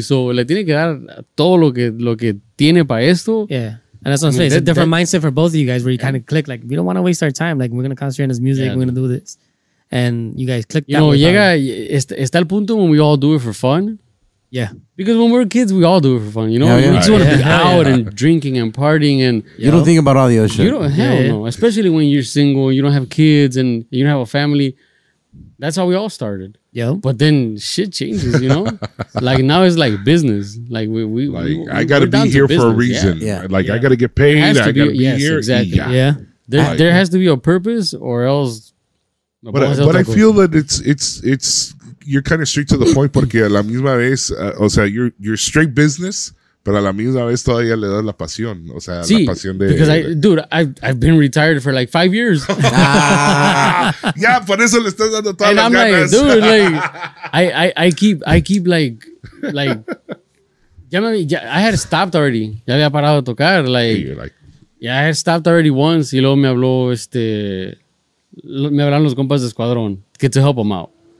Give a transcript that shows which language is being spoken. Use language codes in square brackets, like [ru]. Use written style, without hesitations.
[es] So le tiene que dar todo lo que tiene para esto. [en] Yeah. And that's what I'm saying. It's a different mindset for both of you guys where you kind of click, like, we don't want to waste our time. Like, we're going to concentrate on this music. Yeah, we're going to do this. And you guys click that. You know, [es] llega, está el punto [en] when we all do it for fun. Yeah. Because when we're kids, we all do it for fun, you know? Yeah, yeah. We just want to be out and drinking and partying. And you don't think about all the other shit. You don't, hell no. Especially when you're single, you don't have kids and you don't have a family. That's how we all started. Yeah. But then shit changes, you know? Like, now it's like business. Like, I got to be here for a reason. Yeah. Yeah. Like, yeah. I got to get paid. I got to be here. Yes, exactly. Yeah. Yeah. There has to be a purpose or else. But I feel that it's you're kind of straight to the point [es] porque a la misma vez, o sea, [en] you're straight business, [es] pero a la misma vez todavía le das la pasión, o sea, sí, la pasión de. [en] Because I've been retired for like 5 years. [es] Ah, yeah, por eso le estás dando todas las ganas. [en] And I'm like, dude, like, I keep like, I had stopped already. [es] Ya había parado de tocar, like. [en] Yeah, I had stopped already once, [es] y luego me habló me hablaron los compas de Escuadrón, [en] get to help them out.